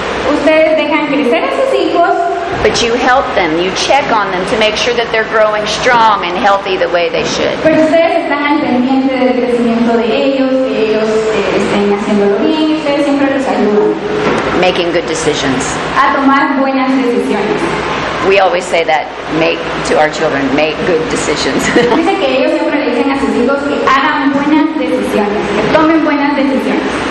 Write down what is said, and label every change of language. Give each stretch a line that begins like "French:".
Spanish: Ustedes dejan crecer a sus hijos.
English: But you help them, you check on them to make sure that they're growing strong and healthy the way they should.
Spanish: Pero ustedes están al pendiente del crecimiento de ellos, que ellos estén haciéndolo bien, ustedes siempre los ayudan.
English: Making good decisions.
Spanish: A tomar buenas decisiones.
English: We always say that, make to our children, make good decisions.
Spanish: Dice que ellos siempre le dicen a sus hijos que hagan buenas decisiones, que tomen buenas decisiones.